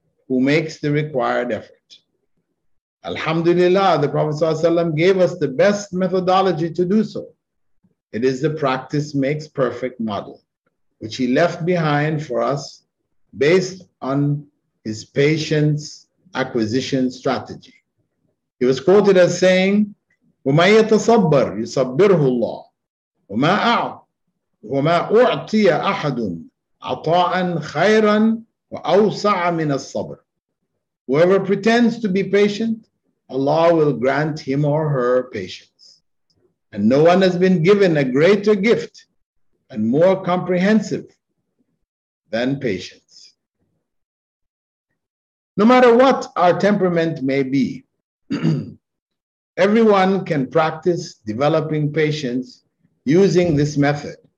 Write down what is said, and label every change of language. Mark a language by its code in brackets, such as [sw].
[en] who makes the required effort. Alhamdulillah, the Prophet ﷺ gave us the best methodology to do so. It is the practice makes perfect model, which he left behind for us based on his patience acquisition strategy. He was quoted as saying, [ar] وَمَا يَتَصَبَّرْ يُصَبِّرْهُ اللَّهُ وَمَا أُعْطِيَ أَحَدٌ عَطَاءً خَيْرًا وَأَوْسَعَ مِنَ الصَّبْرِ. [en] Whoever pretends to be patient, Allah will grant him or her patience. And no one has been given a greater gift and more comprehensive than patience. No matter what our temperament may be, everyone can practice developing patience using this method.